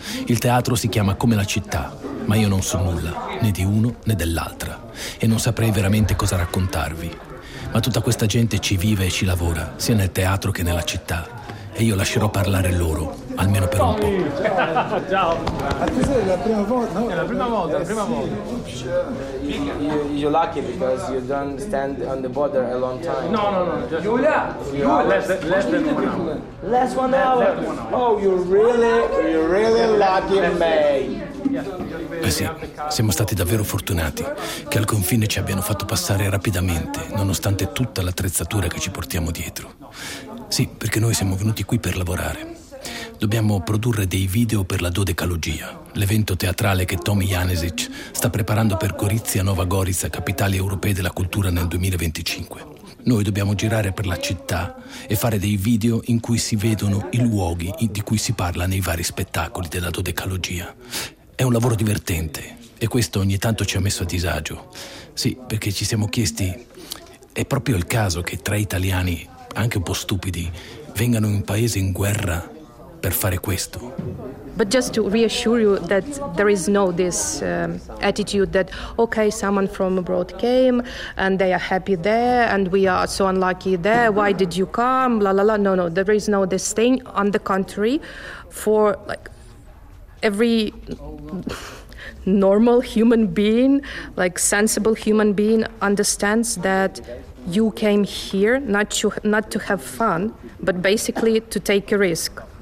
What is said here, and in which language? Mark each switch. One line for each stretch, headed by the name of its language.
Italian: Il teatro si chiama come la città, ma io non so nulla, né di uno né dell'altra, e non saprei veramente cosa raccontarvi. Ma tutta questa gente ci vive e ci lavora, sia nel teatro che nella città, e io lascerò parlare loro, almeno per un po'. Ciao! A te sei la prima volta? No? È la prima volta,
English: You're lucky because you don't stand on the border a long time. No. Giulia! Less than one hour. Oh, you're really lucky, mate.
Italian: Beh sì, siamo stati davvero fortunati che al confine ci abbiano fatto passare rapidamente, nonostante tutta l'attrezzatura che ci portiamo dietro. Sì, perché noi siamo venuti qui per lavorare. Dobbiamo produrre dei video per la Dodecalogia, l'evento teatrale che Tomi Janezic sta preparando per Gorizia, Nova Gorica, capitali europee della cultura nel 2025. Noi dobbiamo girare per la città e fare dei video in cui si vedono i luoghi di cui si parla nei vari spettacoli della Dodecalogia. È un lavoro divertente e questo ogni tanto ci ha messo a disagio. Sì, perché ci siamo chiesti, è proprio il caso che tre italiani, anche un po' stupidi, vengano in un paese in guerra per fare questo?
English: But just to reassure you that there is no this attitude that okay, someone from abroad came and they are happy there and we are so unlucky there, why did you come, la la la. No, there is no this thing. On the contrary, for like every normal human being, like sensible human being, understands that you came here not to have fun, but basically to take a risk.